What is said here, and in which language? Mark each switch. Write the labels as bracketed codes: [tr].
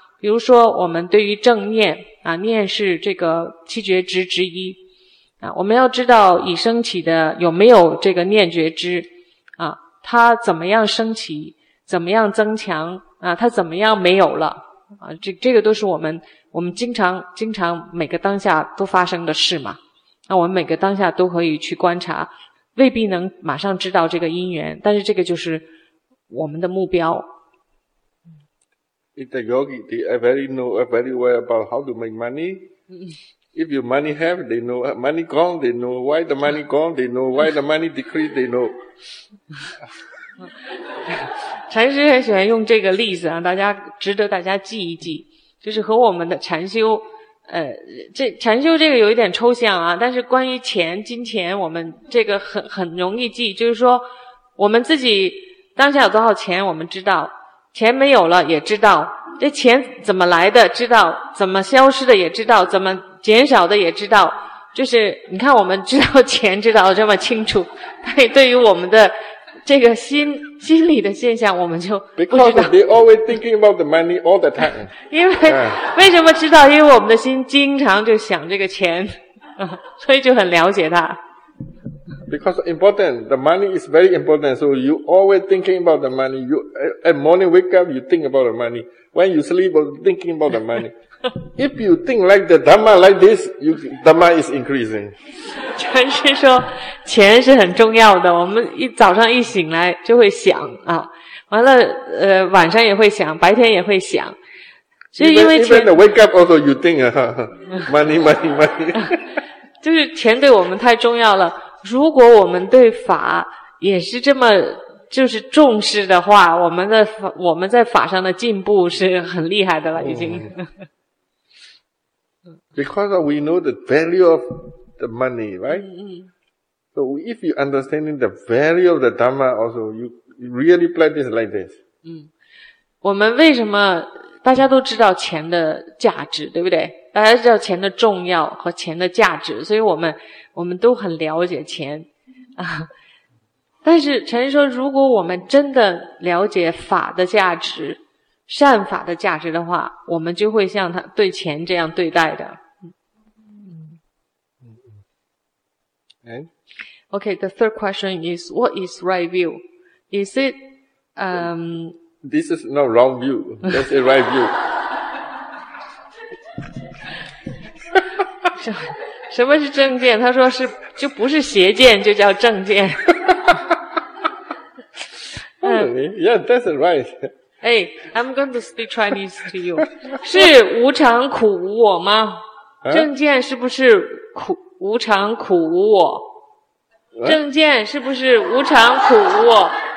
[zh] 比如说我们对于正念啊，念是这个七觉知之一啊，我们要知道已升起的有没有这个念觉知啊，它怎么样升起，怎么样增强啊，它怎么样没有了啊，这个都是我们经常每个当下都发生的事嘛。那我们每个当下都可以去观察，未必能马上知道这个因缘，但是这个就是我们的目标。 [en] If the yogi, they very know very well about how to make money. If you money have, they know money gone, they know why the money gone, they know why the money decrease, they know. [zh] 禅师很喜欢用这个例子啊，大家值得大家记一记，就是和我们的禅修，这禅修这个有一点抽象啊，但是关于钱、金钱，我们这个很容易记，就是说我们自己当下有多少钱，我们知道，钱没有了也知道，这钱怎么来的知道，怎么消失的也知道，怎么减少的也知道。就是你看，我们知道钱知道的这么清楚，但对于我们的这个心理的现象，我们就不知道。 [en] Because they always thinking about the money all the time. [zh] 因为为什么知道？因为我们的心经常就想这个钱，所以就很了解它。 [en] Because important, the money is very important. So you always thinking about the money. You at morning wake up, you think about the money. When you sleep, you thinking about the money. If you think like the Dhamma like this, you Dhamma is increasing. [zh] 禅师说钱是很重要的，我们一早上一醒来就会想啊，完了晚上也会想，白天也会想，是因为钱 [en] even the wake up also you think money money money [zh] 就是钱对我们太重要了。如果我们对法也是这么就是重视的话，我们在法上的进步是很厉害的了已经。 [en] Because we know the value ofthe money, right? So if you understanding the value of the Dhamma also, you really practice like this. [zh] 我们为什么大家都知道钱的价值，对不对？大家知道钱的重要和钱的价值，所以我们都很了解钱。但是陈说如果我们真的了解法的价值，善法的价值的话，我们就会像他对钱这样对待的。 [en] Okay, the third question is, what is right view? Is it, this is not wrong view. That's a right view. [zh] 什么是正见？他说是，就不是邪见，就叫正见。 [en] Yeah, that's right. Hey, I'm going to speak Chinese to you. [zh] 是无常苦无我吗？正见是不是苦无常苦无我？正见是不是无常苦无我？